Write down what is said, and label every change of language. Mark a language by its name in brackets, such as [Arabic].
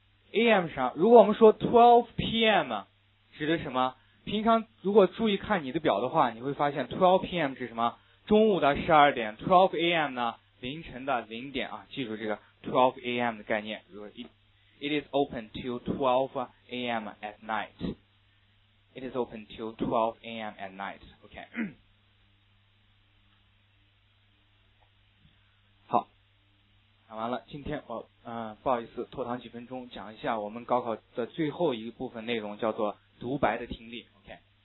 [Chinese] AM 啥，如果我们说 12PM 指的什么，平常如果注意看你的表的话你会发现 12PM 指什么，中午的12点， 12AM 呢凌晨的零点啊，记住这个 12am 的概念。 [English] 如果 It is open till 12am at night. It is open till 12am at night. OK. [Chinese] 好，讲完了。今天我不好意思拖堂几分钟，讲一下我们高考的最后一部分内容，叫做独白的听力。 OK。